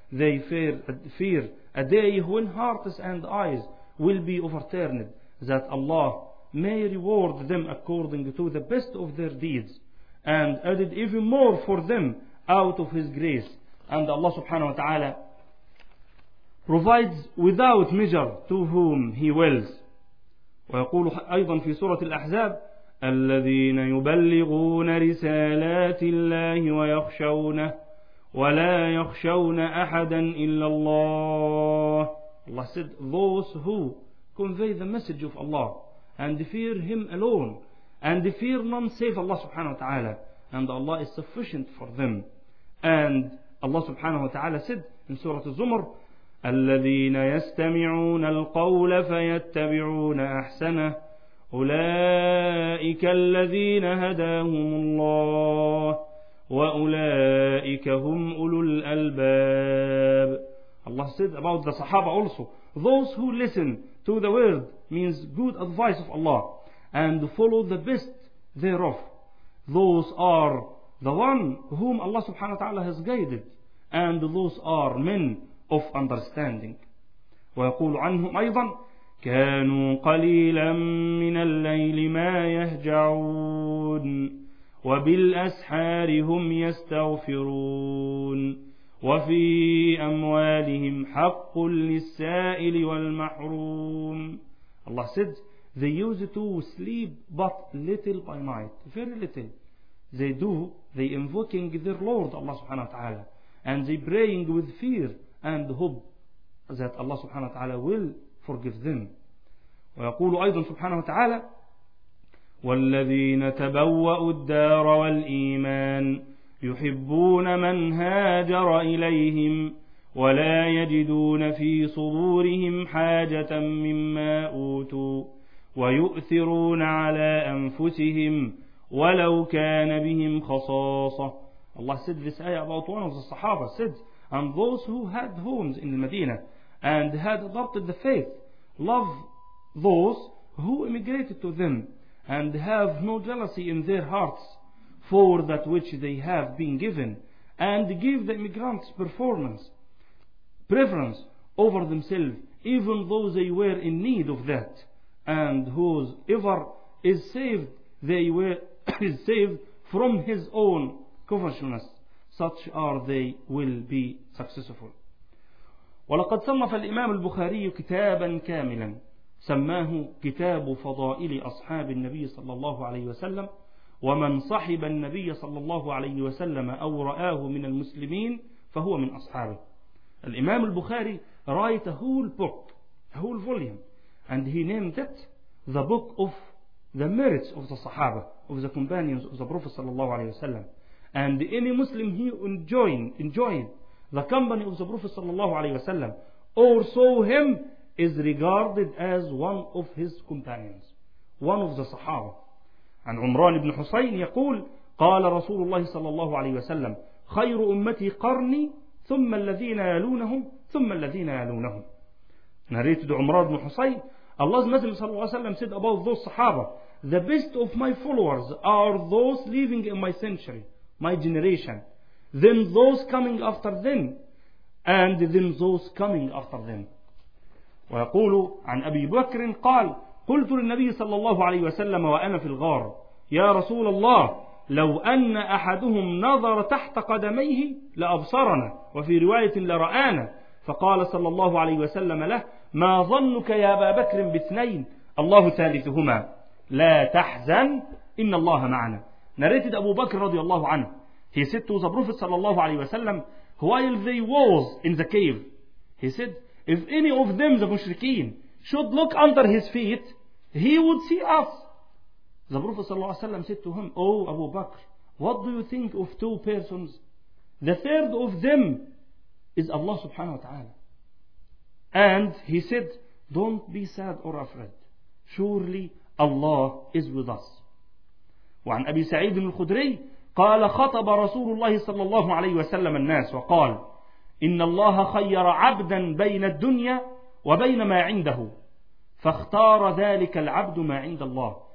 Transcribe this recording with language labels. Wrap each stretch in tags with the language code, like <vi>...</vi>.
<en>They fear a day when hearts and eyes will be overturned, that Allah may reward them according to the best of their deeds and added even more for them out of His grace. And Allah subhanahu wa ta'ala provides without measure to whom He wills.</en> <ar>ويقول أيضا في سورة الأحزاب الذين يبلغون رسالات الله ويخشونه ولا يخشون أحدا إلا الله.</ar> <en>Allah said, those who convey the message of Allah and fear Him alone and fear none save Allah subhanahu wa ta'ala, and Allah is sufficient for them. And Allah subhanahu wa ta'ala said in Surah Az-Zumar</en> <ar>الذين يستمعون القول فيتبعون أحسنه أولئك الذين هداهم الله وَأُولَٰئِكَ هُمْ أُولُو الْأَلْبَابِ.</ar> <en>Allah said about the Sahaba also, those who listen to the word, means good advice of Allah, and follow the best thereof, those are the one whom Allah subhanahu wa ta'ala has guided, and those are men of understanding.</en> <ar>ويقول عنهم أيضا كانوا قليلا من الليل ما يهجعون وبالأسحار هم يستغفرون وفي أموالهم حق للسائل والمحروم.</ar> <en>الله said they use to sleep but little by night, very little. They do, they invoking their Lord Allah subhanahu wa ta'ala, and they praying with fear and hope that Allah subhanahu wa ta'ala will forgive them.</en> <ar>ويقول أيضا سبحانه وتعالى والذين تبوأوا الدار والإيمان يحبون من هاجر إليهم ولا يجدون في صدورهم حاجة مما أوتوا ويؤثرون على أنفسهم ولو كان بهم خصاصة.</ar> <en>Allah said this ayah about one of the Sahaba said, and those who had homes in Medina and had adopted the faith love those who immigrated to them and have no jealousy in their hearts for that which they have been given, and give the immigrants performance preference over themselves, even though they were in need of that, and whoever is saved they were is saved from his own covetousness, such are they will be successful.</en> <ar>ولقد صنف الإمام البخاري كتابا كاملا سماه كتاب فضائل أصحاب النبي صلى الله عليه وسلم ومن صحب النبي صلى الله عليه وسلم أو رآه من المسلمين فهو من أصحابه.</ar> <en>الإمام البخاري write a whole book, a whole volume, and he named it the book of the merits of the Sahaba, of the companions of the Prophet</en> <ar>صلى الله عليه وسلم,</ar> <en>and any Muslim he enjoyed the company of the Prophet صلى الله عليه وسلم or saw him is regarded as one of his companions, one of the Sahaba.</en> <ar>عن عمران بن حسين يقول قال رسول الله صلى الله عليه وسلم خير أمتي قرني ثم الذين يلونهم ثم الذين يلونهم.</ar> <en>Narrated عمران بن حسين, Allah's Messenger</en> <ar>صلى الله عليه وسلم</ar> <en>said about those Sahaba, the best of my followers are those living in my century, my generation, then those coming after them, and then those coming after them.</en> <ar>ويقول عن أبي بكر قال قلت للنبي صلى الله عليه وسلم وأنا في الغار يا رسول الله لو أن أحدهم نظر تحت قدميه لأبصرنا وفي رواية لرآنا. فقال صلى الله عليه وسلم له ما ظنك يا أبا بكر باثنين الله ثالثهما لا تحزن إن الله معنا.</ar> <en>Narrated أبو بكر</en> <ar>رضي الله عنه,</ar> <en>he said to the Prophet</en> <ar>صلى الله عليه وسلم</ar> <en>while they was in the cave, he said if any of them the mushrikeen should look under his feet, he would see us. The Prophet</en> <ar>صلى الله عليه وسلم</ar> <en>said to him, oh Abu Bakr, what do you think of two persons? The third of them is Allah subhanahu wa ta'ala. And he said, don't be sad or afraid. Surely Allah is with us.</en> <ar>وعن أبي سعيد الخدري قال خطب رسول الله صلى الله عليه وسلم الناس وقال إن الله خير عبدا بين الدنيا وبين ما عنده فاختار ذلك العبد ما عند الله.</ar>